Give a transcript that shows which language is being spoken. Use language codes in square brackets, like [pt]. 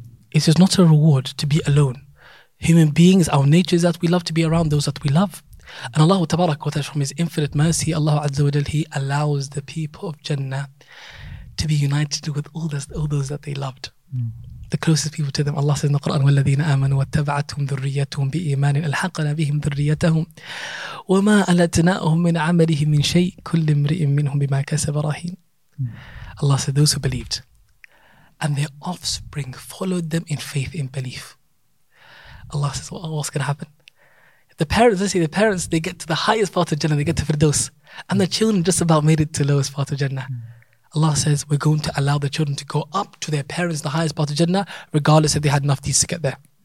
[en] It is not a reward to be alone. Human beings, our nature is that we love to be around those that we love. And Allah tabarak wa ta'ala, from His infinite mercy, Allah Azza wa Jalla, He allows the people of Jannah to be united with all those that they loved. The closest people to them. Allah says in the Quran, [ar] وَالَّذِينَ آمَنُوا وَاتَّبَعَتْهُمْ ذُرِّيَّتُهُمْ بِإِيمَانٍ أَلْحَقْنَا بِهِمْ ذُرِّيَّتَهُمْ وَمَا أَلَتْنَاهُمْ مِنْ عَمَلِهِمْ مِنْ شَيْءٍ كُلِّ امْرِئٍ مِنْهُمْ بِمَا كَسَبَ رَهِينٌ. [en] Allah said, those who believed and their offspring followed them in faith and belief. Allah says, well, what's going to happen? The parents, they get to the highest part of Jannah, they get to Firdaus. And the children just about made it to the lowest part of Jannah. Allah says, we're going to allow the children to go up to their parents, the highest part of Jannah, regardless if they had enough deeds to get there.